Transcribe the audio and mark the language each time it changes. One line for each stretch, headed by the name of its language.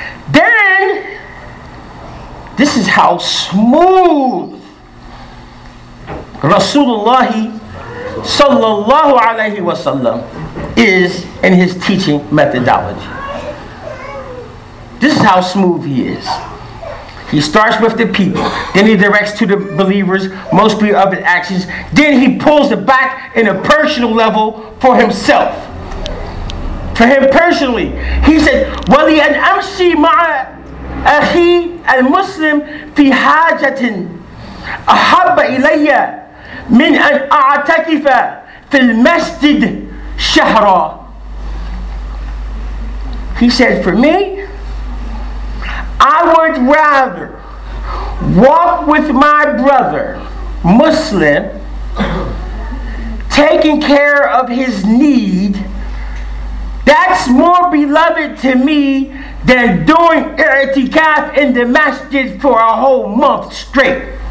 English: Then, this is how smooth Rasulullah sallallahu alayhi wa sallam is in his teaching methodology. This is how smooth he is. He starts with the people, then he directs to the believers, most beloved actions, then he pulls it back in a personal level for himself. For him personally. He said,
Arabic: وَلِي أَنْ أَمْشِي مَعَ أَخِي الْمُسْلِمْ فِي حَاجَةٍ أَحَبَّ إِلَيَّ مِنْ أَنْ أَعْتَكِفَ فِي الْمَسْجِدِ شَهْرًا.
English: He said, for me, I would rather walk with my brother, Muslim, taking care of his need. That's more beloved to me than doing i'tikaf in the masjid for a whole month straight.